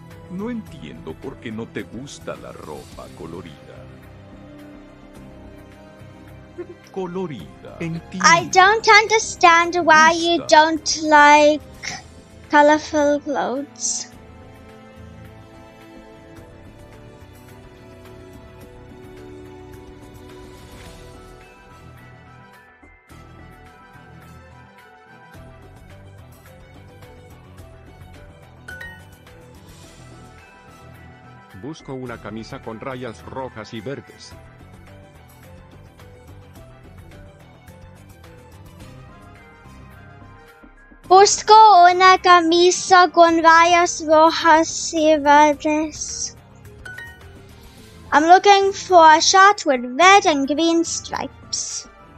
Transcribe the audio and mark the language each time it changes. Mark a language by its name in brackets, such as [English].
[Spanish] No entiendo por qué no te gusta la ropa colorida. Colorida. Entiendo. [English] I don't understand why you don't like colorful clothes. [Spanish] Busco una camisa con rayas rojas y verdes. Busco una camisa con rayas rojas y verdes. [English] I'm looking for a shirt with red and green stripes.